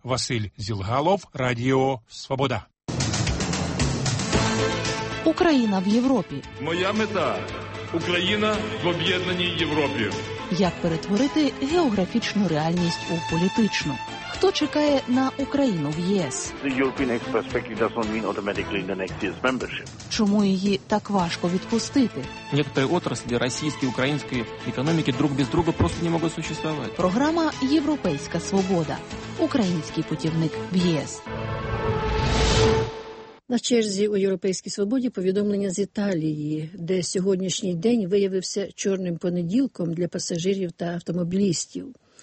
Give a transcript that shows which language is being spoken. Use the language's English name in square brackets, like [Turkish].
[Ukrainian] Василь Зілгалов, Радіо Свобода. Україна в Європі. Моя мета – Україна в об'єднаній Європі. Як перетворити географічну реальність у політичну? Хто чекає на Україну в ЄС? [English] The European perspective doesn't mean automatically the next year's membership. [Ukrainian] Чому її так важко відпустити? [Russian] Некоторі отраслі російської, української економіки друг без друга просто не можуть существувати. [Ukrainian] Програма «Європейська свобода». Український путівник в ЄС. На черзі у Європейській свободі повідомлення з Італії, де сьогоднішній день виявився чорним понеділком для пасажирів та автомобілістів.